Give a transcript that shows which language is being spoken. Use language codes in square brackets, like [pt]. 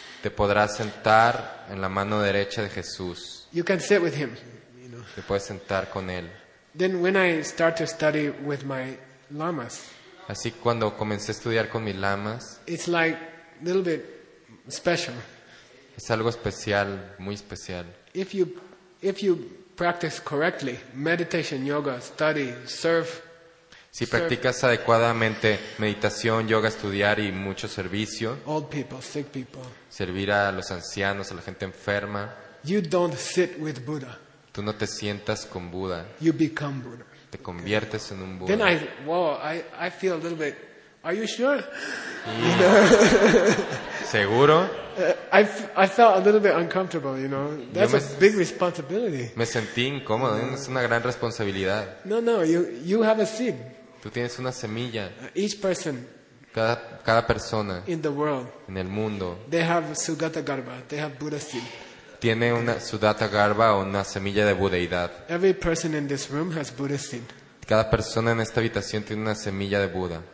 [es] Te podrás sentar en la mano derecha de Jesús. [en] You can sit with him. [es] Te puedes sentar con él. [en] Then when I start to study with my lamas. [es] Así cuando comencé a estudiar con mis lamas. [en] It's like a little bit special. [es] Es algo especial, muy especial. [en] If you practice correctly, meditation, yoga, study, serve. [es] Si practicas adecuadamente meditación, yoga, estudiar y mucho servicio. [en] Old people, sick people. [es] Servir a los ancianos, a la gente enferma. [en] You don't sit with Buddha. [es] Tú no te sientas con Buda. [en] You become Buddha. [es] Te conviertes en un Buda. [en] Then I feel a little bit. Are you sure? [es] ¿Seguro? [en] I felt a little bit uncomfortable, you know. That's a big responsibility. [es] Me sentí incómodo, es una gran responsabilidad. [en] No, you have a seed. [es] Tú tienes una semilla. [en] Each person. [es] Cada persona. [en] In the world. [es] En el mundo. [en] They have Sugata Garba, they have Buddha seed. [es] Tiene una Sudata Garba o una semilla de budeidad. [en] Every person in this room has Buddha seed. [es] Cada persona en esta habitación tiene una semilla de Buda.